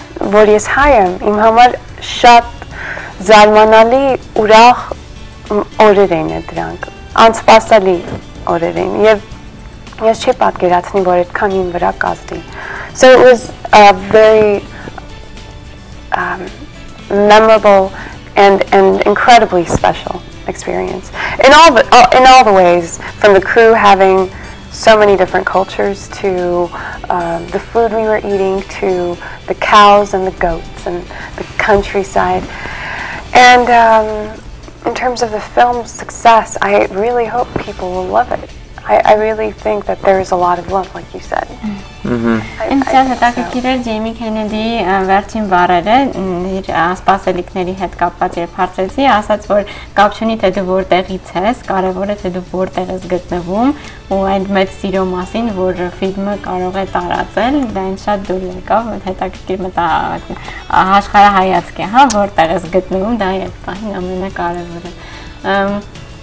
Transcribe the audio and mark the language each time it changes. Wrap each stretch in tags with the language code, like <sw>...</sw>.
<hy>Որ ես հայ եմ, իմ համար շատ զարմանալի ուրախ օրեր էին դրանք, անսպասելի օրեր էին, և ես չէի պատկերացնի, որ այդքան իմ վրա կազդի.</hy> <en>So it was a very memorable and incredibly special experience in all the ways, from the crew having so many different cultures, to the food we were eating, to the cows and the goats and the countryside. And in terms of the film's success, I really hope people will love it. I really think that there is a lot of love, like you said.</en> <hy>Ինչպես հետաքրքիր է, Ջեյմի Քենեդիի Jamie Kennedy վերջին բառերը իր սպասելիքների հետ կապված, երբ հարցեցի, ասաց, որ կապ չունի, թե դու որտեղից ես, կարևոր է, թե դու որտեղ ես գտնվում, ու այդ մեծ սիրո մասին, որ ֆիլմը կարող է տարածել, դա ինձ շատ դուր եկավ, այդ հետաքրքիր աշխարհայացք է, հա, որտեղ ես գտնվում, դա է պահին ամենակարևորը։</hy>